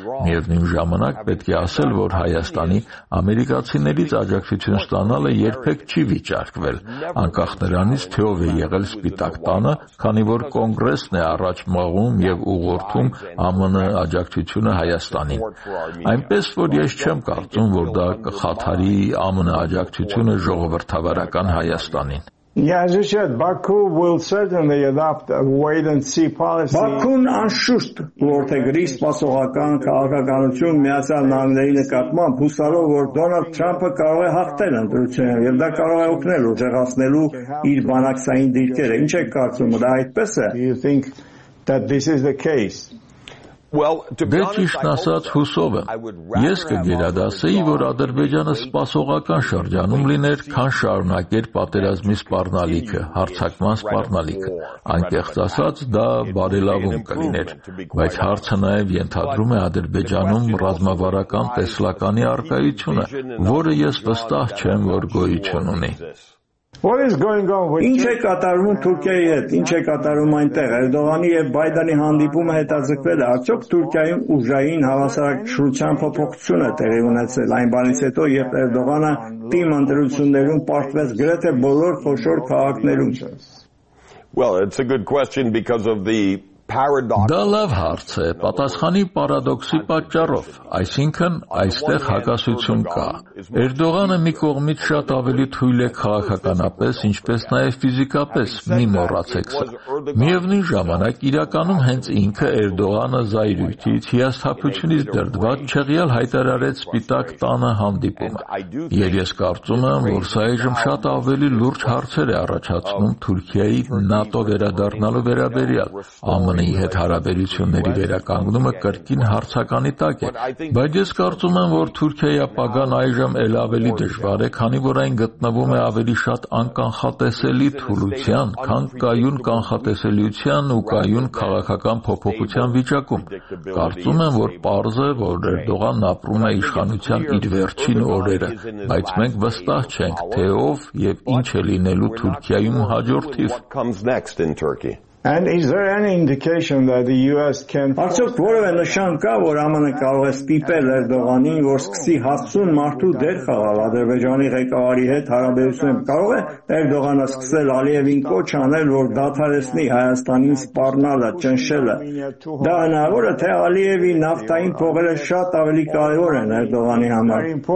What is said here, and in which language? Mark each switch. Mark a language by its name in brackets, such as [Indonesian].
[Armenian] Միևնույն ժամանակ պետք է ասել, որ Հայաստանի ամերիկացիներից աջակցություն ստանալը երբեք չի վիճարկվել, անկախ նրանից, թե ով է եղել Սպիտակ տանը, քանի որ կոնգրեսն է առաջ մղում եւ ուղղորդում ԱՄՆ աջակցությունը Հայաստանին։ Այնպես որ ես չեմ կարծում, որ դա կխաթարի ԱՄՆ աջակցությունը ժողովրդավարական Հայաստանին։ [English] Yazıcılar, Baku will certainly adopt a wait and see policy. [Armenian] Բաքուն անշուշտ որթեգրիս պասողական քաղաքականություն միացյալ նահանգների նկատմամբ հուսալով, որ Դոնալդ Թրամփը կարող է հաղթել ընտրությունը եւ դա կարող է օգնել ուժեղացնելու իր բանակցային դիրքերը։ Ինչ եք կարծում, դա այդպես է? [English] You think that this is the case? Well, to be honest, I hope yes, [Armenian] կգերադասեի, որ Ադրբեջանը սպասողական շրջանում լիներ, քան շարունակեր պատերազմի սպառնալիքը, հարձակման սպառնալիքը։ Անկեղծ ասած, դա բարելավում կլիներ, բայց հարցը նաև ենթադրում է Ադրբեջանում ռազմավարական տեսլականի առկայությունը, որը ես վստահ չեմ, որ գոյություն ունի։ [English] What is going on with [Armenian] Ինչ է կատարվում Թուրքիայի հետ, ինչ է կատարվում այնտեղ, Էրդողանի եւ Բայդենի հանդիպումը հետաձգվել է, արդյոք Թուրքիայում ուժային հավասարակշռության փոփոխություն է տեղի ունեցել այն բանից հետո, երբ Էրդողանը թիմ ընտրություններում պարտվեց գրեթե բոլոր խոշոր քաղաքներում։ [English] Well, it's a good question because of the [Armenian] Դա լավ հարց է, պատասխանի պարադոքսի պատճառով, այսինքն այստեղ հակասություն կա։ Էրդողանը մի կողմից շատ ավելի թույլ է քաղաքականապես, ինչպես նաև ֆիզիկապես, մի մոռացեք սա։ Միևնույն ժամանակ իրականում հենց ինքը Էրդողանը զայրույթից, հիասթափությունից դրդված չեղյալ հայտարարեց Սպիտակ տանը հանդիպումը։ Եվ ես կարծում եմ, որ սա այժմ շատ ավելի լուրջ հարցեր է առաջացնում Թուրքիայի ՆԱՏՕ վերադառնալու վերաբերյալ։ ԱՄՆ-ի հետ հարաբերությունների վերականգնումը կրկին հարցականի տակ է, բայց ես կարծում եմ, որ Թուրքիայի ապագան այժմ էլ ավելի դժվար է, քանի որ այն գտնվում է ավելի շատ անկանխատեսելի թուլության, քան կայուն կանխատեսելիության ու կայուն քաղաքական փոփոխության վիճակում։ Կարծում եմ, որ պարզ է, որ Էրդողանն ապրում է իշխանության իր վերջին օրերը, բայց մենք վստահ չենք, թե ով և ինչ է լինելու Թուրքիայում հաջորդիվ։ [English] And is there any indication that the US can [Armenian] Արդյոք որևէ նշան կա, որ ԱՄՆ-ը կարող է ստիպել Էրդողանին, որ սկսի հասցուն մարդու դեր խաղալ Ադրբեջանի ղեկավարի հետ հարաբերությունում։ Կարող է Էրդողանը սկսել Ալիևին կոչ անել, որ դադարեցնի Հայաստանին սպառնալը, ճնշելը։ Դա հնարավոր է, թե Ալիևի նավթային փողերը շատ ավելի կարևոր են Էրդողանի համար։